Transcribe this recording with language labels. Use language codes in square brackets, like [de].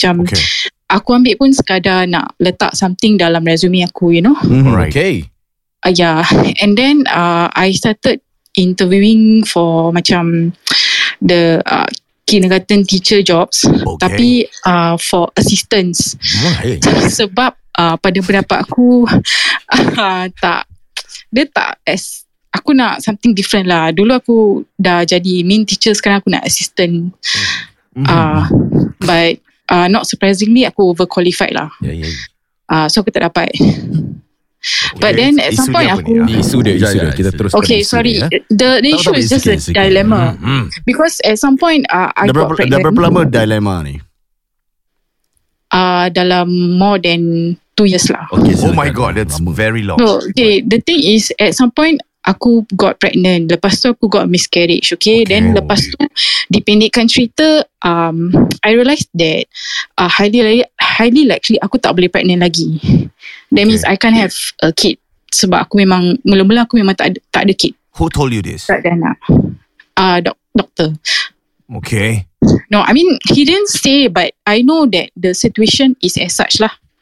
[ms] Macam okay, aku ambil pun sekadar nak letak something dalam resume aku, [en] you know. Alright. Okay. Yeah, and then I started interviewing for macam the kindergarten teacher jobs, okay, tapi for assistance. [ms] Sebab pada pendapat aku tak aku nak something different lah. Dulu aku dah jadi main teacher, sekarang aku nak assistant. [en] But not surprisingly, aku overqualified lah. Yeah. So [ms] aku tak dapat. [en] Okay. But then at some point aku [ms] isu dia. Kita terus. [en] Okay, sorry. The issue is just a dilemma. Because at some point I got pregnant. [ms] Dah berapa lama dilemma ni? [en] Dalam more than 2 years lah. Okay, so oh my god, that's lama. Very long. No, okay, the thing is at some point aku got pregnant. [ms] Lepas tu aku got miscarriage. Okay, okay. Then lepas tu dipendekkan cerita, [en] I realised that highly likely [ms] aku tak boleh pregnant lagi. [en] That means I can't have a kid. [ms] Sebab aku memang, mula-mula aku memang tak ada kid. [en] Who told you this? [ms] Tak ada anak. Doktor. [en] Okay. No, I mean, he didn't say, but I know that the situation is as such lah.